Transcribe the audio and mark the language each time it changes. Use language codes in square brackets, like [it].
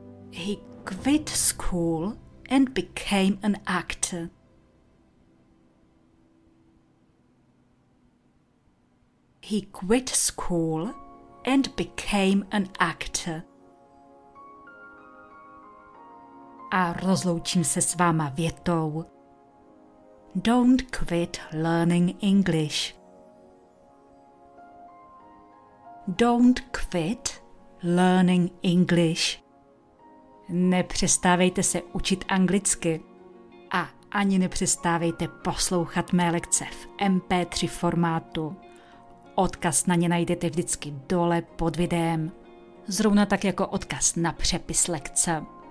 [en] He quit school and became an actor. He quit school and became an actor. [cs] A rozloučím se s váma větou. [en] Don't quit learning English. Don't quit learning English. [cs] Nepřestávejte se učit anglicky a ani nepřestávejte poslouchat mé lekce v MP3 formátu. Odkaz na ně najdete vždycky dole pod videem, zrovna tak jako odkaz na přepis lekce.